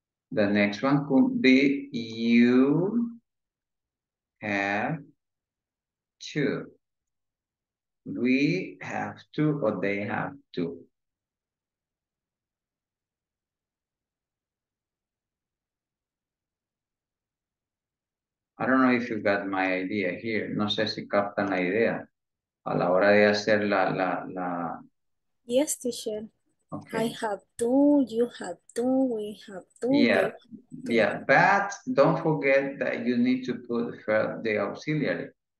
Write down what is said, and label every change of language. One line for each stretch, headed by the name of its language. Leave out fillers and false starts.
English: The next one could be you have to. We have to or they have to. I don't know if you got my idea here.
Spanish: No sé si captan la idea a la hora de hacer la.
English: Yes, teacher. Okay. I have to, you have to, we have to. Yeah, but don't forget that you need to put the auxiliary.